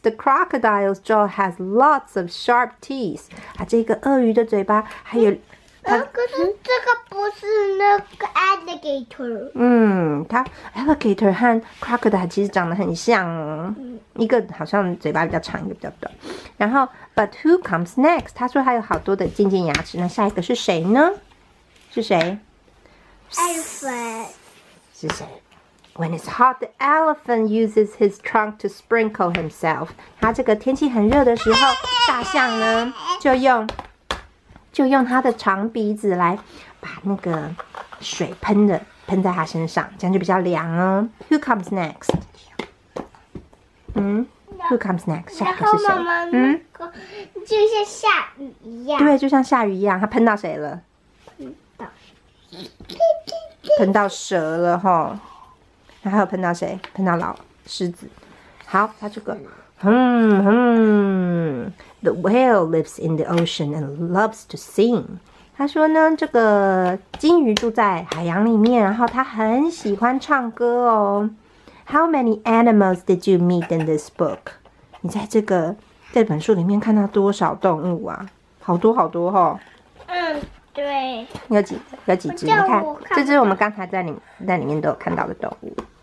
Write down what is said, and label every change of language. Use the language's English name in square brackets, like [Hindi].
[English] The crocodile's jaw has lots of sharp teeth. [Chinese] 啊，这个鳄鱼的嘴巴还有。可是这个不是那个 alligator。它 alligator 和 crocodile 其实长得很像哦。一个好像嘴巴比较长，一个比较短。 [English] 然后 ，But who comes next? [Chinese] 他说还有好多的尖尖牙齿。那下一个是谁呢？是谁 [English] ？Elephant。 [Chinese] 是谁？ [English] When it's hot, the elephant uses his trunk to sprinkle himself. [Chinese] 他这个天气很热的时候，大象呢就用他的长鼻子来把那个水喷在他身上，这样就比较凉哦。 [English] Who comes next? Who comes next? [Chinese] 下一个是谁？就像下雨一样。对，就像下雨一样，他喷到谁了？喷到蛇了哈。还有碰到谁？碰到老狮子。好，他这个， [English] The whale lives in the ocean and loves to sing. [Chinese] 他说呢，这个鲸鱼住在海洋里面，然后他很喜欢唱歌哦。 [English] How many animals did you meet in this book? [Chinese] 你在这本书里面看到多少动物啊？好多好多哈。对。有几只？你看，这只我们刚才在里面都有看到的动物。